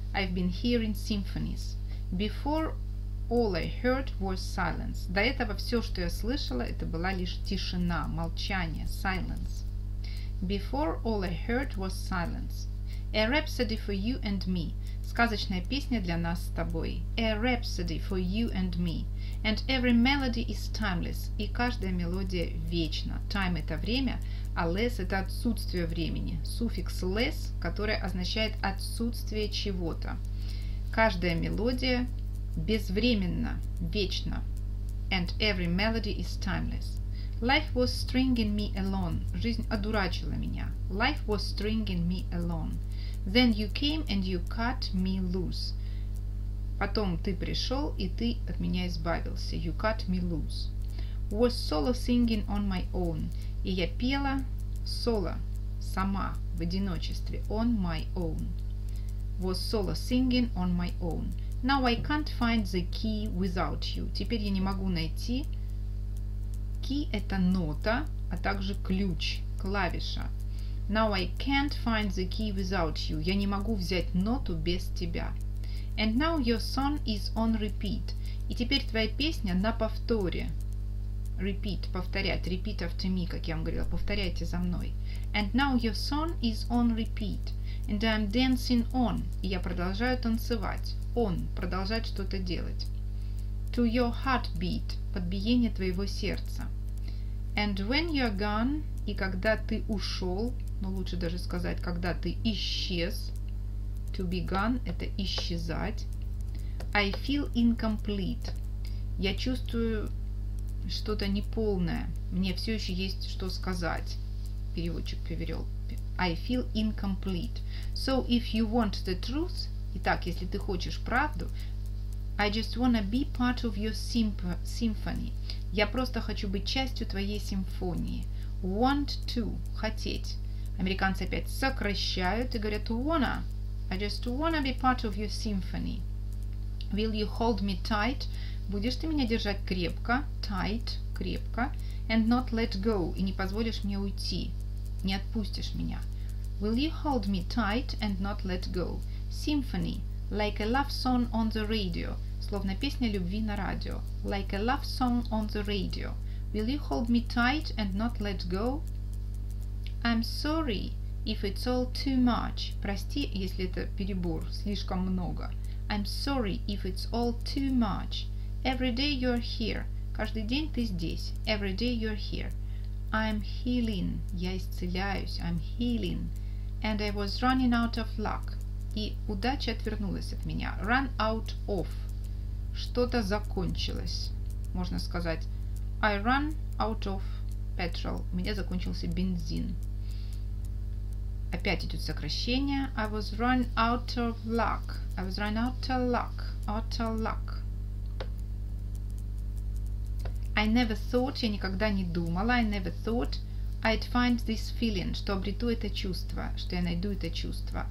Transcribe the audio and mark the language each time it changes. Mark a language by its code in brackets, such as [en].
[en] I've been hearing symphonies. Before all I heard was silence. [ru] До этого все, что я слышала, это была лишь тишина, молчание, silence. [en] Before all I heard was silence. A rhapsody for you and me. [ru] Сказочная песня для нас с тобой. [en] A rhapsody for you and me. And every melody is timeless. [ru] И каждая мелодия вечна. Time – это время, а less – это отсутствие времени. Суффикс less, который означает отсутствие чего-то. Каждая мелодия безвременна, вечна. [en] And every melody is timeless. Life was stringing me along. [ru] Жизнь одурачила меня. [en] Life was stringing me along. Then you came and you cut me loose. [ru] Потом ты пришел, и ты от меня избавился. [en] You cut me loose. Was solo singing on my own. [ru] И я пела соло, сама, в одиночестве. [en] On my own. Was solo singing on my own. Now I can't find the key without you. [ru] Теперь я не могу найти. Key – это нота, а также ключ, клавиша. [en] Now I can't find the key without you. [ru] Я не могу взять ноту без тебя. [en] And now your song is on repeat. [ru] И теперь твоя песня на повторе. Repeat – повторять. [en] Repeat after me, [ru] как я вам говорила. Повторяйте за мной. [en] And now your song is on repeat. And I'm dancing on. [ru] И я продолжаю танцевать. On – продолжать что-то делать. [en] To your heartbeat [ru] – под биение твоего сердца. [en] And when you're gone [ru] – и когда ты ушел, но лучше даже сказать, когда ты исчез. [en] To be gone – [ru] это исчезать. [en] I feel incomplete. [ru] Я чувствую что-то неполное. Мне все еще есть что сказать. Переводчик перевел. I feel incomplete. [en] So if you want the truth, [ru] итак, если ты хочешь правду, [en] I just wanna be part of your symphony. [ru] Я просто хочу быть частью твоей симфонии. [en] Want to – [ru] хотеть. Американцы опять сокращают и говорят wanna. [en] I just wanna be part of your symphony. Will you hold me tight? [ru] Будешь ты меня держать крепко, [en] tight, [ru] крепко, [en] and not let go, [ru] и не позволишь мне уйти, не отпустишь меня. [en] Will you hold me tight and not let go? Symphony, like a love song on the radio, [ru] словно песня любви на радио. [en] Like a love song on the radio. Will you hold me tight and not let go? I'm sorry if it's all too much. [ru] Прости, если это перебор, слишком много. [en] I'm sorry if it's all too much. Every day you're here. [ru] Каждый день ты здесь. [en] Every day you're here. I'm healing. [ru] Я исцеляюсь. [en] I'm healing. And I was running out of luck. [ru] И удача отвернулась от меня. [en] Run out of. [ru] Что-то закончилось. Можно сказать, [en] I run out of petrol. [ru] У меня закончился бензин. Опять идет сокращение. [en] I was run out of luck. I was run out of luck. Out of luck. I never thought, [ru] я никогда не думала, [en] I never thought I'd find this feeling, [ru] что обрету это чувство, что я найду это чувство.